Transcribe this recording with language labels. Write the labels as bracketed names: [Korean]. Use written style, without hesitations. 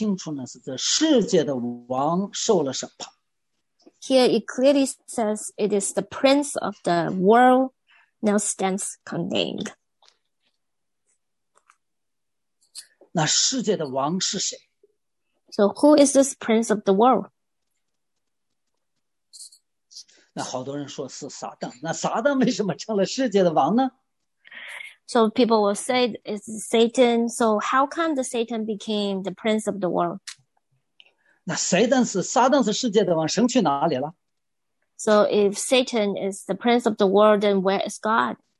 [Chinese] 那这里讲的非常的清楚呢，是这世界的王受了审判。 [English] Here it clearly says it is the prince of the world now stands condemned. [Chinese] 那世界的王是谁? [English] So who is this prince of the world? [Chinese] 那好多人说是撒旦，那撒旦为什么成了世界的王呢? [English] So people will say it's Satan. So how come the Satan became the prince of the world? [Chinese] 那撒旦是世界的王，神去哪里了? [English] So if Satan is the prince of the world, then where is God?